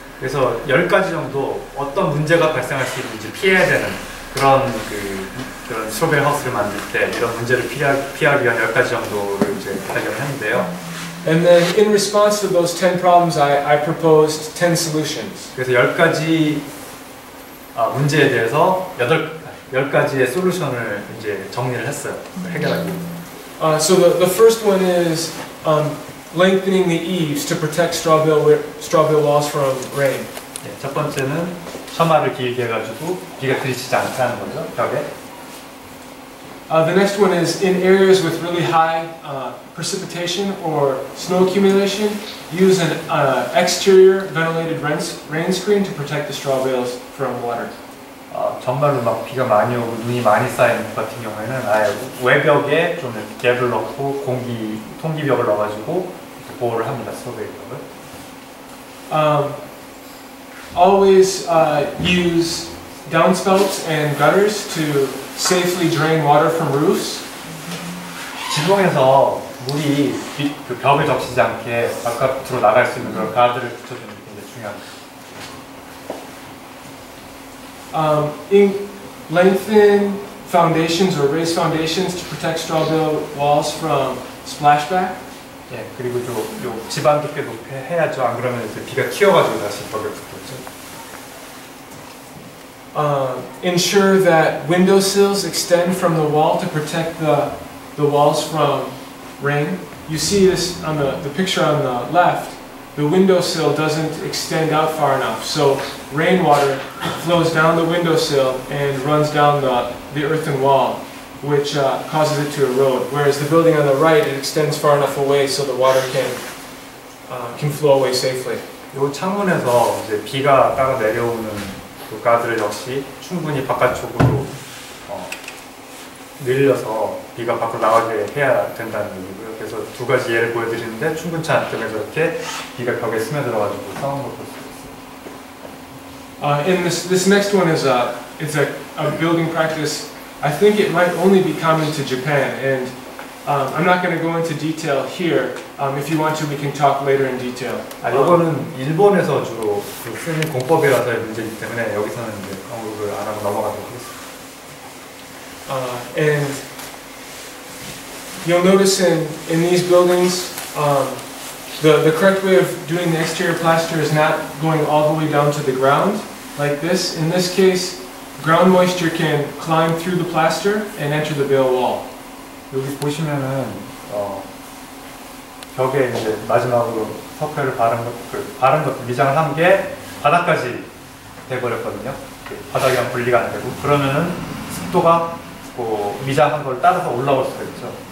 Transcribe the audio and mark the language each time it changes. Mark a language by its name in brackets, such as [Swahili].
[Korean] 그래서 10가지 정도 어떤 문제가 발생할 수 있는지 피해야 되는 그런 스트로베일 하우스를 만들 때 이런 문제를 피하기 위한 10가지 정도를 이제 발견했는데요. [English] And then in response to those 10 problems, I proposed 10 solutions. [Korean] 그래서 10가지 문제에 대해서 10가지의 솔루션을 이제 정리를 했어요. 해결하기 [English] So the first one is lengthening the eaves to protect straw bale walls from rain. [Korean] 네, 첫 번째는 처마를 길게 해가지고 비가 들이치지 않게 하는 거죠, 벽에. [English] The next one is in areas with really high precipitation or snow accumulation, use an exterior ventilated rain screen to protect the straw bales from water. [Korean] 정말로 막 비가 많이 오고 눈이 많이 쌓이는 것 같은 경우에는 아예 외벽에 좀 갭을 넣고 공기 통기벽을 넣어가지고 보호를 합니다, 스트로베일 벽을. [English] Always use downspouts and gutters to safely drain water from roofs. [Korean] 지붕에서 물이 그 벽에 적시지 않게 바깥으로 나갈 수 있는 그런 가드를 붙여주는 게 굉장히 중요합니다. [English] Lengthen foundations or raise foundations to protect straw bale walls from splashback. [Korean] 예, 그리고 좀 지방도 꽤 높게 해야죠. 안 그러면 이제 비가 튀어가지고 다시 벽에 붙겠죠. [English] Ensure that window sills extend from the wall to protect the walls from rain. You see this on the picture on the left. The window sill doesn't extend out far enough, so rainwater flows down the window sill and runs down the earthen wall, which causes it to erode. Whereas the building on the right, it extends far enough away so the water can flow away safely. [Korean] 요 창문에서 이제 비가 따라 내려오는 그 가드를 역시 충분히 바깥쪽으로 늘려서 비가 밖으로 나가게 해야 된다는 얘기고요. 그래서 두 가지 예를 보여드리는데 충분치 않다면 이렇게 비가 벽에 스며들어가지고 상황을 볼 수 있습니다. [English] In this next one is a building practice. I think it might only be common to Japan, and I'm not going to go into detail here. If you want to, we can talk later in detail. [Korean] 아, 이거는 일본에서 주로 그 쓰는 공법이라서의 문제이기 때문에 여기서는 이제 언급을 안 하고 넘어가도록 하겠습니다. [English] And you'll notice in these buildings, the correct way of doing the exterior plaster is not going all the way down to the ground like this. In this case, ground moisture can climb through the plaster and enter the bale wall. [Korean] 여기 보시면은 벽에 이제 마지막으로 석회를 바른 것, 그 바른 것 미장을 한 게 바닥까지 돼버렸거든요. 바닥이랑 분리가 안 되고 그러면은 습도가 그 미장한 걸 따라서 올라올 수가 있죠.